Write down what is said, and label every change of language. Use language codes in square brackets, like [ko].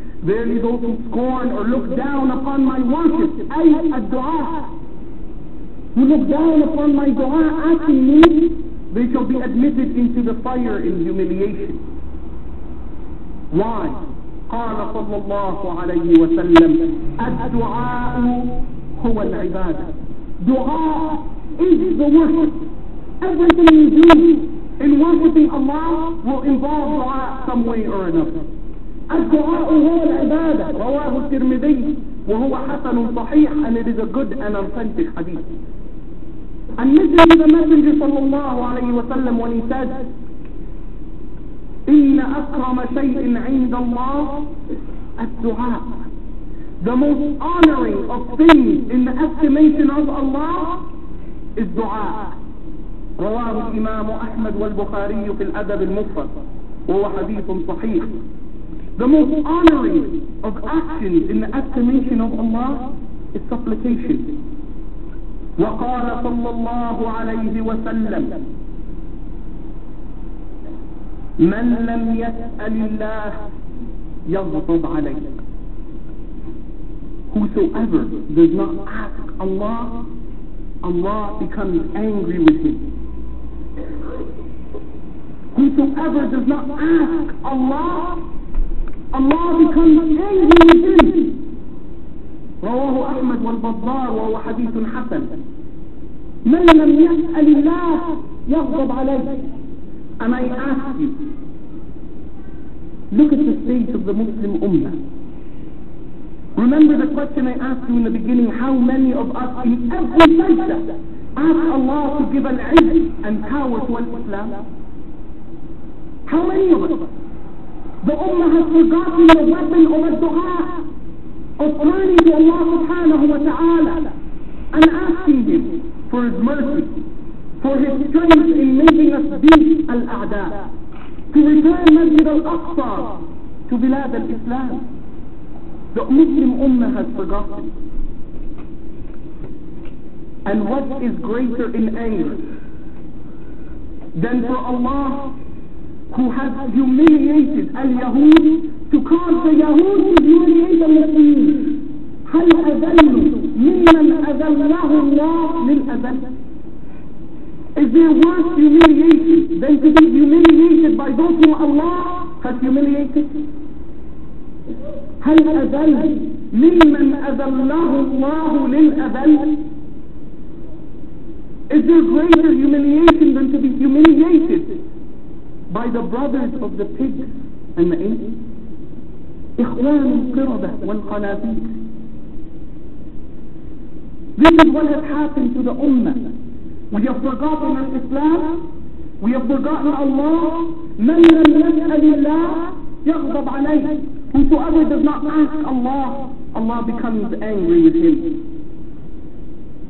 [en] Verily those who scorn or look down upon my worship, ay ad-du'a, who look down upon my du'a asking me, they shall be admitted into the fire in humiliation. Why? [ar] قال صلى الله عليه وسلم الدعاء هو العبادة. [en] Du'a is the worship. Everything you do in worshiping Allah will involve du'a some way or another. [ar] الدعاء هو العبادة. [en] And it is a good and authentic hadith. And listen to the Messenger [ar] صلى الله عليه وسلم [en] when he said, [ar] إِنَّ أَكْرَمَ شَيْءٍ عِنْدَ اللَّهِ الدُّعَاء. [en] The most honoring of things in the estimation of Allah is dua. [ar] رواه الإمام أحمد والبخاري في الأدب المفرد وهو حديث صحيح. [en] The most honoring of actions in the estimation of Allah is supplication. [ar] وقال صلى الله عليه وسلم من لم يسأل الله يغضب عليه. [en] Whosoever does not ask Allah, Allah becomes angry with him. Whosoever does not ask Allah, Allah becomes angry with him. [ar] رواه أحمد والبزار وهو حديث حسن. من لم يسأل الله يغضب عليه. [en] And I ask you, look at the state of the Muslim Ummah. Remember the question I asked you in the beginning, how many of us in every sajda ask Allah to give an izz and power to an Islam? How many of us? The Ummah has forgotten the weapon of a du'a, of praying to Allah subhanahu wa ta'ala and asking Him for His mercy, for His strength in making us beat al-a'da, to return Masjid al-Aqsa to Bilad al-Islam. The Muslim Ummah has forgotten. And what is greater in anger than for Allah, who has humiliated al-Yahud, to cause the Yahud to humiliate the Muslims? [ar] هل أذلوا ممن أذله الله للأذل. [en] Is there worse humiliation than to be humiliated by those whom Allah has humiliated? [ar] هل أذل ممن أذله الله للأذل. [en] Is there greater humiliation than to be humiliated by the brothers of the pigs and the apes? [ar] إخوان القردة والقناديل. [en] This is what has happened to the Ummah. We have forgotten our Islam. We have forgotten Allah. [ar] مَنْ لَمْ يَسْأَلِ اللَّهِ يَغْضَبْ عَلَيْهِ. [en] Whosoever does not ask Allah, Allah becomes angry with him.